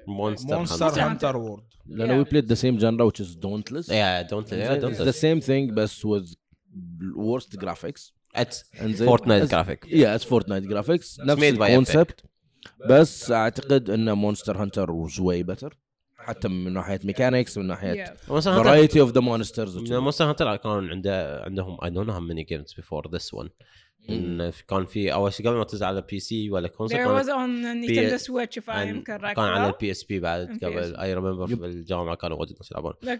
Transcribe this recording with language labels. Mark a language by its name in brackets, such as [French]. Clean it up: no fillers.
[English] Monster Hunter. World. Yeah. No, we played the same genre, which is Dauntless. Dauntless. It's the same thing, but with worst graphics. It's Fortnite graphics. Yeah, it's Fortnite graphics. That's made by concept. Epic. But I think Monster Hunter was way better. [Arabic] حتى من ناحية ميكانيكس ومن ناحية [English] variety of the monsters. Monster Hunter [Arabic] كان عندهم [English] I don't know how many games before this one. [Arabic] كان في أول شيء قبل ما تنزل على PC ولا console. [English] There was on Nintendo Switch if I am correct. [Arabic] كان على PSP بعد قبل. [English] I remember [Arabic] في الجامعة كانوا واجد ناس يلعبون.